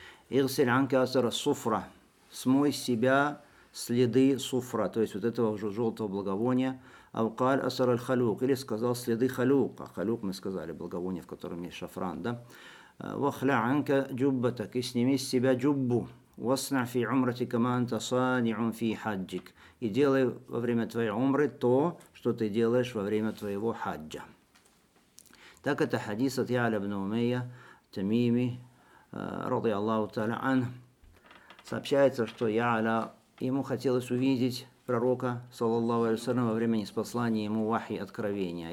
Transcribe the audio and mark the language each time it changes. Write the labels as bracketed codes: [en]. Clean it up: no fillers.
[ar] «Игсиль анка асара суфра», [ru] «смой с себя следы суфра», то есть вот этого уже желтого благовония. [ar] «Авкаль асара аль-халюк», [ru] или сказал следы халюка. Халюк, мы сказали, благовоние, в котором есть шафран, да. [ar] «Вахля анка джуббатак», [ru] и сними с себя джуббу. [ar] واصنع في عمرتك ما أنت صانع في حجك. [ru] И делай во время твоей умры то, что ты делаешь во время твоего хаджа. Так это хадис от Яля ибн Умейя, Тамими, [ar] رضي الله تعالى عنه. [ru] Сообщается, что Яля, ему хотелось увидеть пророка, саллаллаху алейхи ва саллям, во время ниспослания ему вахи откровения.